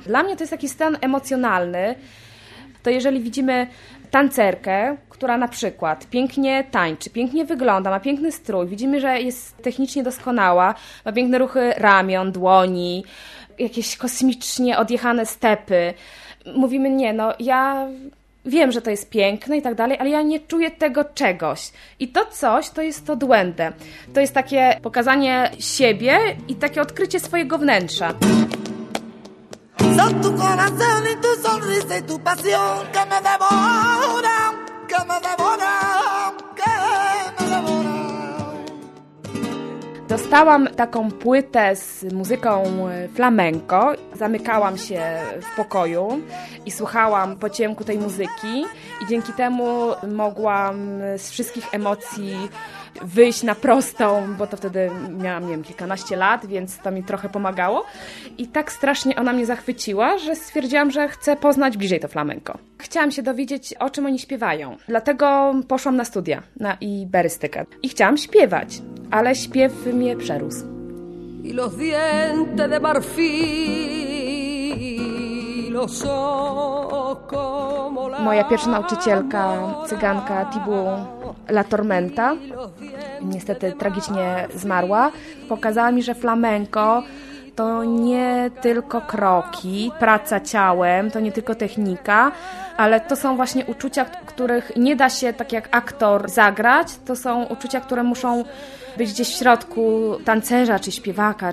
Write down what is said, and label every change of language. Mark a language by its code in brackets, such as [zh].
[pl] Dla mnie to jest taki stan emocjonalny. To jeżeli widzimy tancerkę, która na przykład pięknie tańczy, pięknie wygląda, ma piękny strój, widzimy, że jest technicznie doskonała, ma piękne ruchy ramion, dłoni, jakieś kosmicznie odjechane stepy. Mówimy, nie, no ja wiem, że to jest piękne i tak dalej, ale ja nie czuję tego czegoś. I to coś, to jest to duende. To jest takie pokazanie siebie i takie odkrycie swojego wnętrza. [es] Son tu corazón y tu sonrisa y tu pasión que me devora, que me devora, que me devora. [pl] Dostałam taką płytę z muzyką flamenco, zamykałam się w pokoju i słuchałam po ciemku tej muzyki i dzięki temu mogłam z wszystkich emocji wyjść na prostą, bo to wtedy miałam, nie wiem, kilkanaście lat, więc to mi trochę pomagało. I tak strasznie ona mnie zachwyciła, że stwierdziłam, że chcę poznać bliżej to flamenco. Chciałam się dowiedzieć, o czym oni śpiewają. Dlatego poszłam na studia, na iberystykę. I chciałam śpiewać, ale śpiew mnie przerósł. [es] I los dientes de marfil, los ojos. [pl] Moja pierwsza nauczycielka, cyganka Tibu La Tormenta, niestety tragicznie zmarła, pokazała mi, że flamenco to nie tylko kroki, praca ciałem, to nie tylko technika, ale to są właśnie uczucia, których nie da się tak jak aktor zagrać, to są uczucia, które muszą być gdzieś w środku tancerza czy śpiewaka.